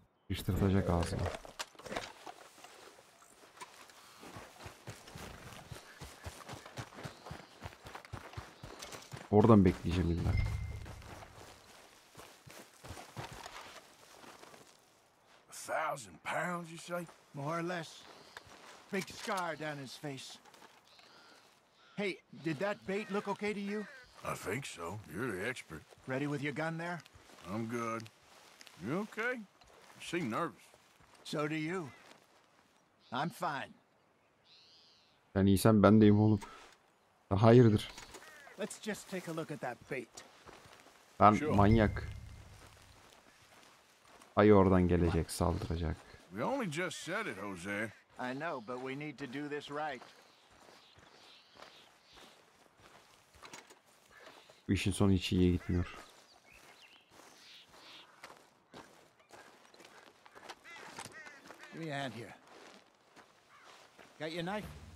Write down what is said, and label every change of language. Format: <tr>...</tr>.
<tr>Sıçtıracak ağzını. Oradan bekleyeceğim illa.</tr> <en>A thousand pounds, you say? More or less. Big scar down his face. Hey, did that bait look okay to you? I think so. You're the expert. Ready with your gun there? I'm good. You okay? You seem nervous. So do you. I'm fine.</en> <tr>Sen iyisen ben deyim oğlum. Hayırdır?</tr> <en>Let's just take a look at that bait.</en> <tr>Ben sure. Manyak. Ayı oradan gelecek, saldıracak.</tr> <en>We only just said it, Jose. I know, but we need to do this right.</en> <tr>Bu işin sonu hiç iyiye gitmiyor.</tr> <en>Give me a hand here. Got your knife?</en>